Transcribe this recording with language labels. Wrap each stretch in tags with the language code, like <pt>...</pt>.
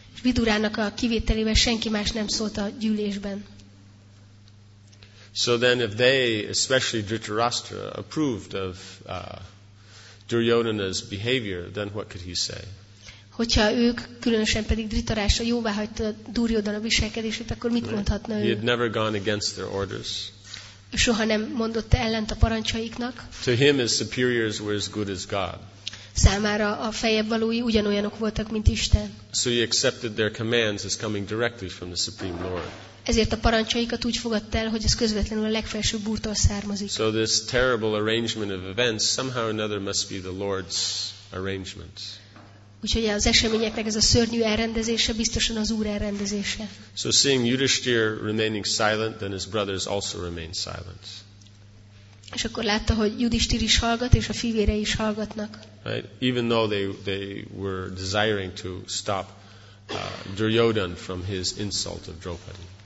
<hu>Vidurának a kivételével senki más nem szólt a gyűlésben.</hu> <en>So then if they, especially Dhritarashtra, approved of Duryodhana's behavior, then what could he say?</en> <hu>Hogyha ők, különösen pedig Dhritarashtra jóvá hagyta Duryodhana viselkedését, akkor mit mondhatna ő?</hu> <en>He had never gone against their orders.</en> <hu>Soha nem mondott ellent a parancsaiknak.</hu> <en>To him his superiors were as good as God.</en> <hu>Számára a feljebb valói ugyanolyanok voltak, mint Isten.</hu> <en>So he accepted their commands as coming directly from the Supreme Lord.</en> <hu>Ezért a parancsaikat úgy fogadta el, hogy ez közvetlenül a legfelsőbb úrtól származik.</hu> <en>So this terrible arrangement of events somehow or another must be the Lord's arrangement.</en> <hu>Úgyhogy az eseményeknek ez a szörnyű elrendezése biztosan az Úr elrendezése.</hu> <en>So seeing Yudhishthira remaining silent, then his brothers also remained silent.</en> <hu>És akkor látta, hogy Yudhishthira is hallgat, és a fivére is hallgatnak.</hu> <en>Right? Even though they were desiring to stop Duryodhan from his insult of Draupadi.</en>